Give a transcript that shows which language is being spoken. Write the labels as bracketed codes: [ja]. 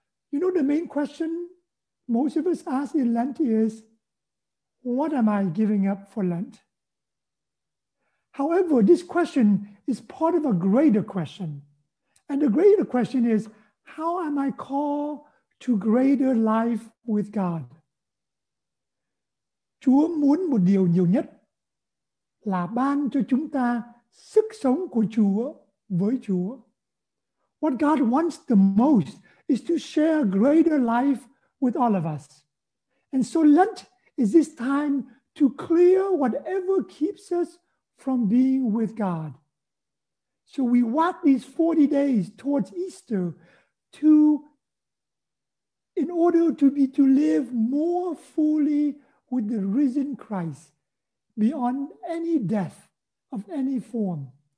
[en] You know, the main question most of us ask in Lent is, what am I giving up for Lent? However, this question is part of a greater question. And the greater question is, how am I called to greater life with God? [vi] Chúa muốn một điều nhiều nhất là ban cho chúng ta sức sống của Chúa với Chúa. [en] What God wants the most is to share greater life with all of us. And so Lent is this time to clear whatever keeps us from being with God. So we walk these 40 days towards Easter in order to live more fully with the risen Christ beyond any death of any form.